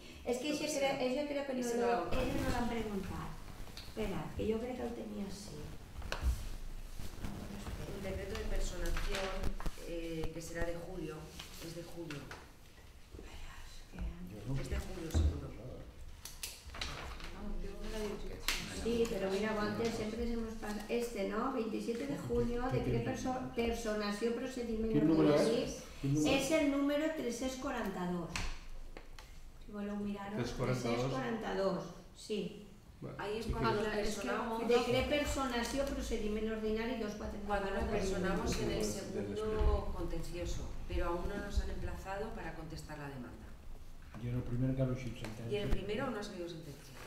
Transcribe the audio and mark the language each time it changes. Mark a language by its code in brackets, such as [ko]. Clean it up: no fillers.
[ca] És que això crec que no l'han preguntat. Espera, que jo crec que el tenia així. [es] El decreto de personación, que será de julio, es de julio. Es de julio, seguro. Sí, pero mira, antes siempre se nos pasa. Este, ¿no? 27 de julio, decreto de personación, procedimiento. ¿Qué número es? Es el número 3642. Si vuelvo a mirar, 3642, sí. Ahí es cuando personamos. [ca] Decret personació, procediment ordinari 244. [es] Cuando nos personamos en el segundo contencioso, pero aún no nos han emplazado para contestar la demanda. Y en el primero que ha habido sentencia. Y en el primero no ha habido sentencia.